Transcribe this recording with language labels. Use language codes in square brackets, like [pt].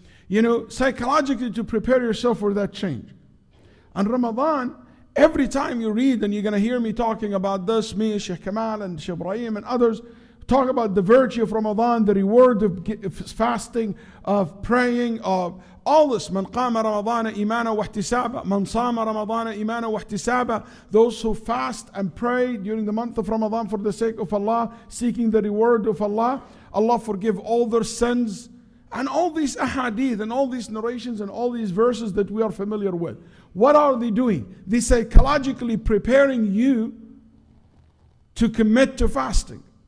[en] You know, psychologically, to prepare yourself for that change. And Ramadan, every time you read, and you're going to hear me talking about this, me, Sheikh Kamal, and Sheikh Ibrahim, and others, talk about the virtue of Ramadan, the reward of fasting, of praying, of all this. [ar] من قام رمضان إيمانا واحتسابا. من صام رمضان إيمانا واحتسابا. [en] Those who fast and pray during the month of Ramadan for the sake of Allah, seeking the reward of Allah, Allah forgive all their sins. And all these ahadith and all these narrations and all these verses that we are familiar with. What are they doing? They're psychologically preparing you to commit to fasting.